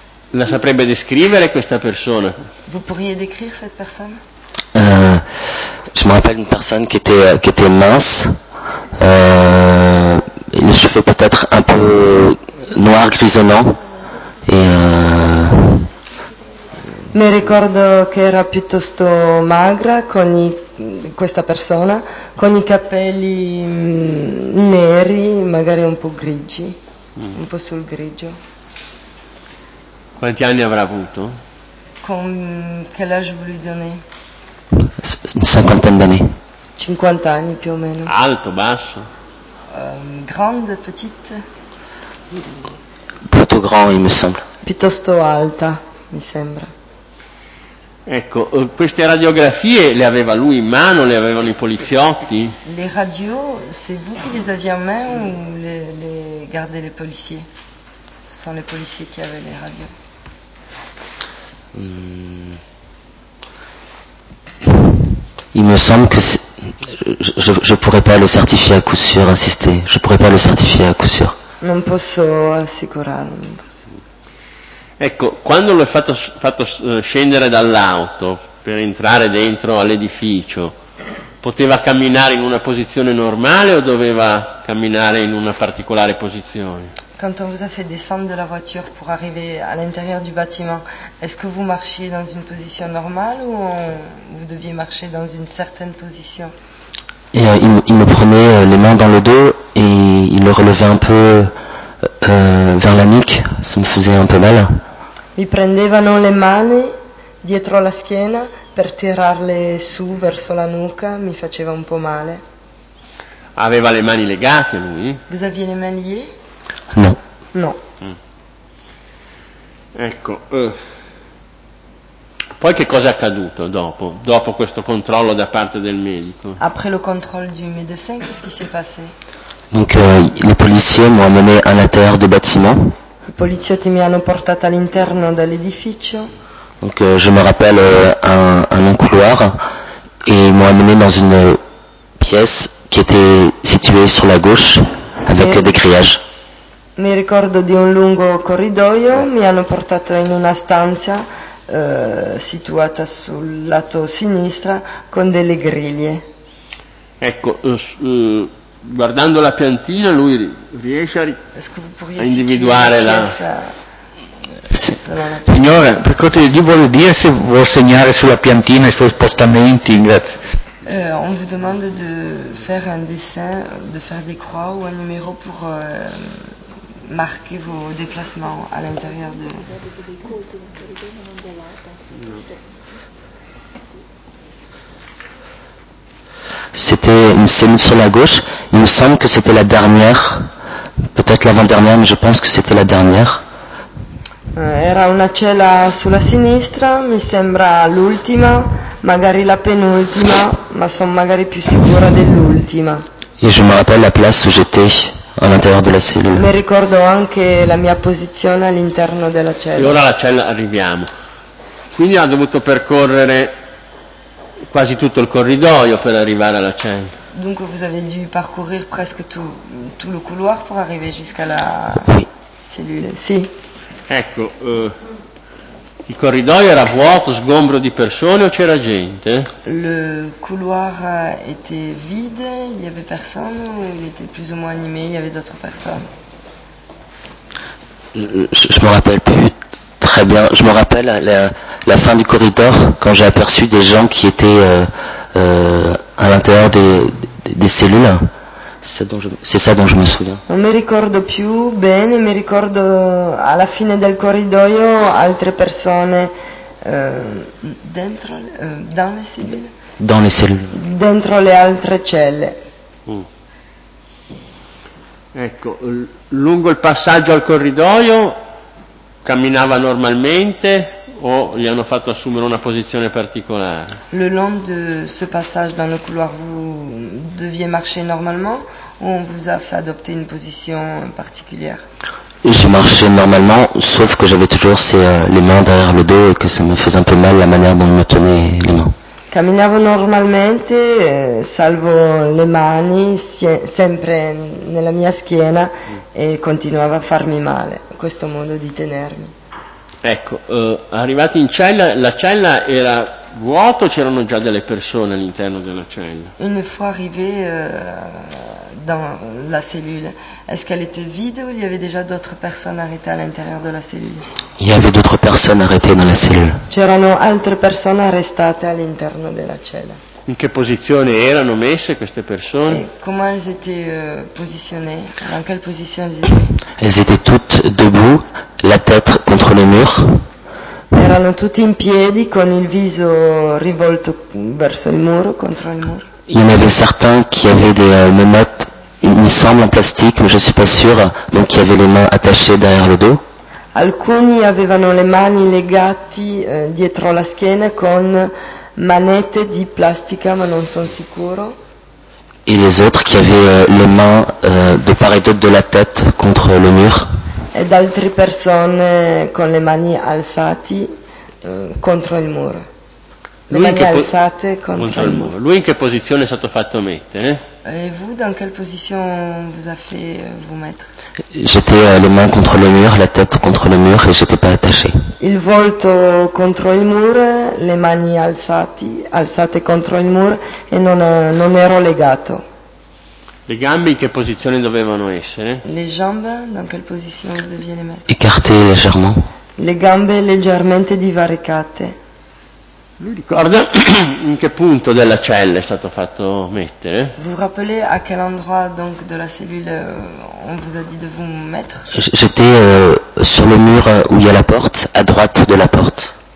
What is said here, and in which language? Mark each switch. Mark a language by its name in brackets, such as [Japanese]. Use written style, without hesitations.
[Italian] La saprebbe descrivere questa persona? [French] Vous pourriez décrire cette personne? Je me rappelle une personne qui était mince. Les cheveux peut-être un peu noirs, grisonnants. Et [Italian] Mi ricordo che era piuttosto magra, con i, questa persona, con i capelli neri, magari un po' grigi, un po' sul grigio. Quanti anni avrà avuto? [French] Con quel âge vous lui donnez? [Italian] 50 anni. 50 anni più o meno. Alto, basso? [French] Grande, petite? Plutôt grand, il me semble. [Italian] Piuttosto alta, mi sembra. Ecco, queste radiografie le aveva lui in mano, le avevano i poliziotti? [French] Le radio, c'est vous qui les aviez en main ou les gardaient les policiers? Ce sont les policiers qui avaient les radios. Il me semble que je pourrais pas le certifier à coup sûr, insister. Je pourrais pas le certifier à coup sûr. [Italian] Non posso assicurarlo. Ecco, quando lo è fatto scendere dall'auto per entrare dentro all'edificio, poteva camminare in una posizione normale o doveva camminare in una particolare posizione? [French] Quand on vous a fait descendre de la voiture pour arriver à l'intérieur du bâtiment, est-ce que vous marchiez dans une position normale ou vous deviez marcher dans une certaine position? Et il me prenait les mains dans le dos et il le relevait un peu vers la nuque, ça me faisait un peu mal. [Italian] Mi prendevano le mani dietro la schiena per tirarle su verso la nuca, mi faceva un po' male. Aveva le mani legate lui? [French] Vous aviez les mains liées? [Italian] No. No. Ecco. Poi che cosa è accaduto dopo? Dopo questo controllo da parte del medico? [French] Après le contrôle du médecin, qu'est-ce qui s'est passé? Donc les policiers m'ont amené à l'intérieur du bâtiment. [Italian] I poliziotti mi hanno portato all'interno dell'edificio. [French] Donc je me rappelle un long couloir et ils m'ont amené dans une pièce qui était située sur la gauche avec des grillages. [Italian] Mi ricordo di un lungo corridoio, mi hanno portato in una stanza situata sul lato sinistra con delle griglie. Ecco, guardando la piantina lui riesce a individuare la... Signora, per cortesia di Dio, vuole dire se vuol segnare sulla piantina i suoi spostamenti, grazie. [French] On vous demande de faire un dessin, de faire des croix ou un numero pour... marquez vos déplacements à l'intérieur de... C'était une cellule sur la gauche. Il me semble que c'était la dernière. Peut-être l'avant-dernière, mais je pense que c'était la dernière. [Italian] Era una cella sulla sinistra. Mi sembra l'ultima. Magari la penultima. Ma sono magari più sicura dell'ultima. [French] Et je me rappelle la place où j'étais. À l'intérieur de la cellule. [Italian] Mi ricordo anche la mia posizione all'interno della cella. E ora la cella arriviamo. Quindi ha dovuto percorrere quasi tutto il corridoio per arrivare alla cella. [French] Dunque, vous avez dû parcourir presque tout le couloir pour arriver jusqu'à la cellule. [Italian] Sì. Ecco, il corridoio era vuoto, sgombro di persone o c'era gente? [French] Le couloir était vide, il y avait personne ou il était plus ou moins animé, il y avait d'autres personnes? Je me rappelle plus très bien, je me rappelle la fin du corridor quand j'ai aperçu des gens qui étaient à l'intérieur des cellules. C'est ça dont je me souviens. [Italian] Non mi ricordo più bene, mi ricordo alla fine del corridoio altre persone dentro [French] dans les cellules. Dans les cellules. [Italian] Dentro le altre celle. Ecco, lungo il passaggio al corridoio camminava normalmente o gli hanno fatto assumere una posizione particolare? [French] Le long de ce passage dans le couloir vous deviez marcher normalement? Où on vous a fait adopter une position particulière? J'ai marché normalement, sauf que j'avais toujours les mains derrière le dos et que ça me faisait un peu mal la manière dont je me tenais les mains. [Italian] Camminavo normalmente, salvo le mani, sempre nella mia schiena e continuava a farmi male, questo modo di tenermi. Ecco, arrivati in cella, la cella era... vuoto, c'erano già delle persone all'interno della cella? [French] Une fois arrivé dans la cellule. Est-ce qu'elle était vide ou il y avait déjà d'autres personnes arrêtées à l'intérieur de la cellule? Il y avait d'autres personnes arrêtées dans la cellule. [Italian] C'erano altre persone arrestate all'interno della cella. In che posizione erano messe queste persone? [French] Et comment elles étaient positionnées? Dans quelle position elles étaient? Elles étaient toutes debout, la tête contre le mur. [Italian] Erano tutti in piedi con il viso rivolto verso il muro, contro il muro. [French] Il y en avait certains qui avaient des menottes, il me semble en plastique, mais je ne suis pas sûr, donc qui avaient les mains attachées derrière le dos. [Italian] Alcuni avevano le mani legati dietro la schiena con manette di plastica, ma non sono sicuro. [French] Et les autres qui avaient les mains de part et d'autre de la tête contre le mur. [Italian] Ed altre persone con le mani alzate contro il muro. Lui in che posizione è stato fatto mettere? [French] Et vous, dans quelle position vous a fait vous mettre? J'étais les mains contre le mur, la tête contre le mur et j'étais pas attaché. [Italian] Il volto contro il mur, les mani alzate contro il mur et non ero legato. Le gambe in che posizione dovevano essere? [French] Les jambes, dans quelle position vous deviez les mettre? Écartées légèrement. [Italian] Les gambes leggermente divaricate. Lui ricorda in che punto della cella è stato fatto mettere? [French] Vous rappelez à quel endroit donc de la cellule on vous a dit de vous mettre? J'étais sur le mur où il y a la porte, à droite de la porte.